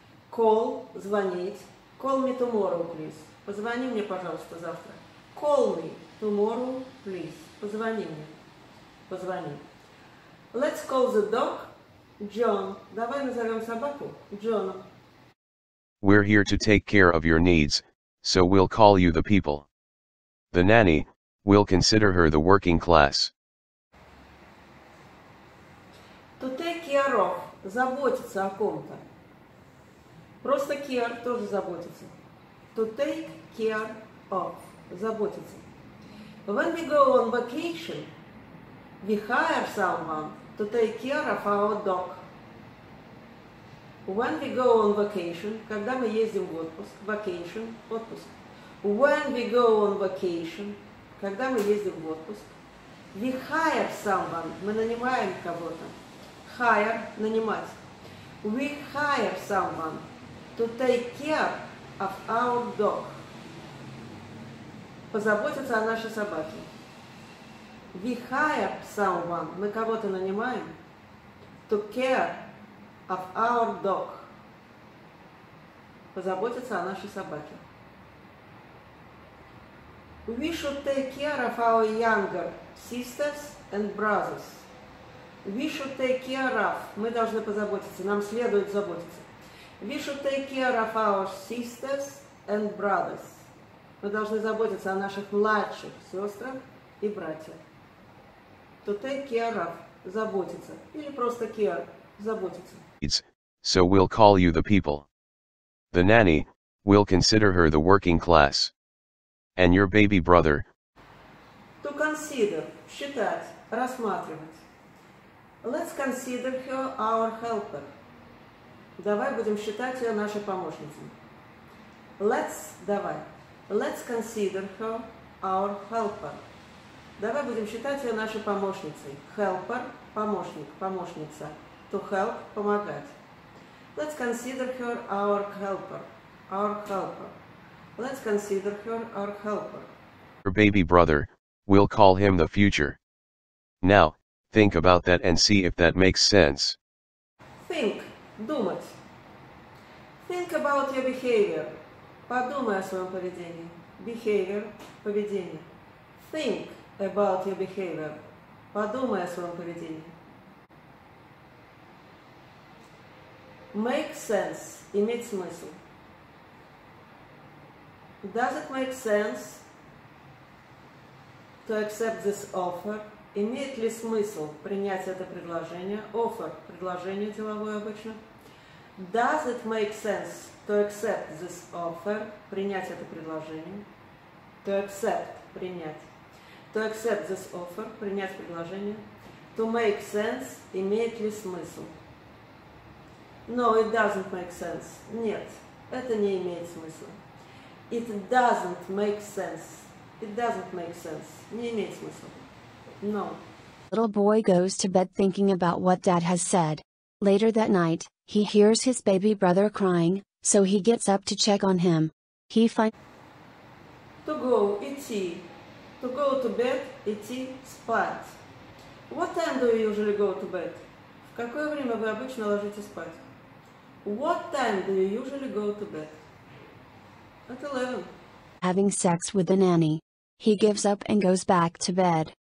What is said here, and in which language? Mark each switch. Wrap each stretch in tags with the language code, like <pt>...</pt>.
<en>Call –</en> <ru>звонить.</ru> <en>Call me tomorrow, please.</en> <ru>Позвони мне, пожалуйста, завтра.</ru> <en>Call me tomorrow, please.</en> <ru>Позвони мне. Позвони.</ru> <en>Let's call the dog John.</en> <ru>Давай назовем собаку Джоном.</ru> <en>We're here to take care of your needs, so we'll call you the people. The nanny, we'll consider her the working class. To take care of –</en> <ru>заботиться о ком-то. Просто care тоже заботиться.</ru> <en>To take care of.</en> <ru>Заботиться.</ru> <en>When we go on vacation, we hire someone to take care of our dog. When we go on vacation,</en> <ru>когда мы ездим в отпуск,</ru> <en>vacation,</en> <ru>отпуск.</ru> <en>When we go on vacation,</en> <ru>когда мы ездим в отпуск,</ru> <en>we hire someone,</en> <ru>мы нанимаем кого-то.</ru> <en>Hire,</en> <ru>нанимать.</ru> <en>We hire someone to take care of our dog.</en> <ru>Позаботиться о нашей собаке.</ru> <en>We hire someone,</en> <ru>мы кого-то нанимаем,</ru> <en>to care of our dog.</en> <ru>Позаботиться о нашей собаке.</ru> <en>We should take care of our younger sisters and brothers. We should take care of.</en> <ru>Мы должны позаботиться, нам следует заботиться.</ru> <en>We should take care of our sisters and brothers.</en> <ru>Мы должны заботиться о наших младших сестрах и братьях.</ru> <en>To take care of.</en> <ru>Заботиться. Или просто</ru> <en>care.</en> <ru>Заботиться.</ru> <en>So we'll call you the people. The nanny, we'll consider her the working class. And your baby brother. To consider,</en> <ru>считать, рассматривать.</ru> <en>Let's consider her our helper.</en> <ru>Давай будем считать ее нашей помощницей.</ru> <en>Let's,</en> <ru>давай.</ru> <en>Let's consider her our helper.</en> <ru>Давай будем считать ее нашей помощницей.</ru> <en>Helper,</en> <ru>помощник, помощница.</ru> <en>To help,</en> <ru>помогать.</ru> <en>Let's consider her our helper. Our helper. Let's consider her our helper. Her baby brother, we'll call him the future. Now, think about that and see if that makes sense. Think,</en> <ru>думать.</ru> <en>Think about your behavior.</en> <ru>Подумай о своем поведении.</ru> <en>Behavior,</en> <ru>поведение.</ru> <en>Think about your behavior.</en> <ru>Подумай о своем поведении.</ru> <en>Make sense,</en> <ru>иметь смысл.</ru> <en>Does it make sense to accept this offer?</en> <ru>Имеет ли смысл принять это предложение? Offer, предложение деловое обычно.</ru> <en>Does it make sense to accept this offer?</en> <ru>Принять это предложение.</ru> <en>To accept,</en> <ru>принять.</ru> <en>To accept this offer,</en> <ru>принять предложение.</ru> <en>To make sense,</en> <ru>имеет ли смысл?</ru> <en>No, it doesn't make sense.</en> <ru>Нет, это не имеет смысла.</ru> <en>It doesn't make sense. It doesn't make sense.</en> <ru>Не имеет смысла.</ru> <en>No. Little boy goes to bed thinking about what dad has said. Later that night, he hears his baby brother crying, so he gets up to check on him. He finds... To go,</en> <ru>идти.</ru> <en>To go to bed,</en> <ru>идти, спать.</ru> <en>What time do you usually go to bed?</en> <ru>В какое время вы обычно ложитесь спать?</ru> <en>What time do you usually go to bed? At 11. Having sex with the nanny. He gives up and goes back to bed.</en>